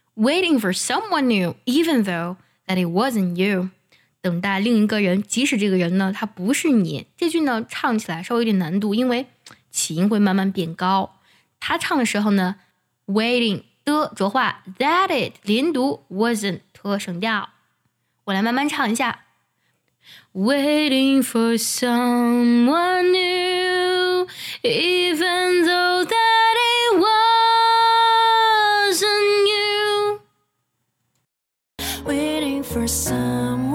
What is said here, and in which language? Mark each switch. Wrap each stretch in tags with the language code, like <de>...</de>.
<en>Waiting for someone new, even though that it wasn't you.</en> <zh>等待另一个人，即使这个人呢，他不是你。这句呢，唱起来稍微有点难度，因为起音会慢慢变高。他唱的时候呢 ，waiting。的浊化 that it 连读 wasn't 特省调，我来慢慢唱一下。</zh> <en>Waiting for someone new, even though that it wasn't you. Waiting for someone</en>